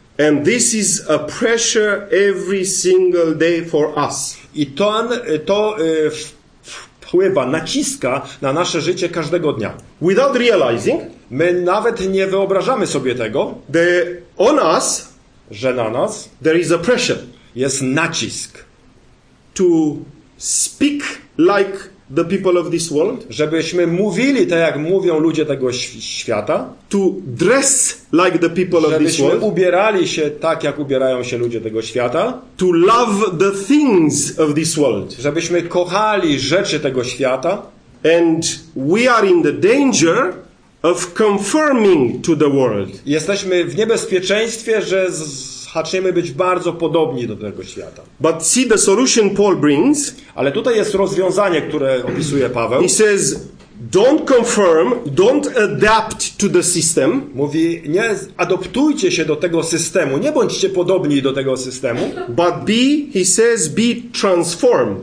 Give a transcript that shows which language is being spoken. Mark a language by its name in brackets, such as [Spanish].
[English] And this is a pressure every single day for us. [Polish] I to wpływa, naciska na nasze życie każdego dnia. [English] Without realizing, [Polish] my nawet nie wyobrażamy sobie tego, [English] that on us, [Polish] że na nas, [English] there is a pressure, [Polish] jest nacisk, [English] to speak like the people of this world, [Polish] żebyśmy mówili tak, jak mówią ludzie tego świata, [English] to dress like the people of this world, [Polish] żebyśmy ubierali się tak, jak ubierają się ludzie tego świata, [English] to love the things of this world, [Polish] żebyśmy kochali rzeczy tego świata, [English] and we are in the danger of conforming to the world. [Polish] Jesteśmy w niebezpieczeństwie, że zaczniemy być bardzo podobni do tego świata. [English] But see the solution Paul brings. [Polish] Ale tutaj jest rozwiązanie, które opisuje Paweł. [English] He says, don't conform, don't adapt to the system. [Polish] Mówi, nie adoptujcie się do tego systemu, nie bądźcie podobni do tego systemu. [English] But be, he says, be transformed.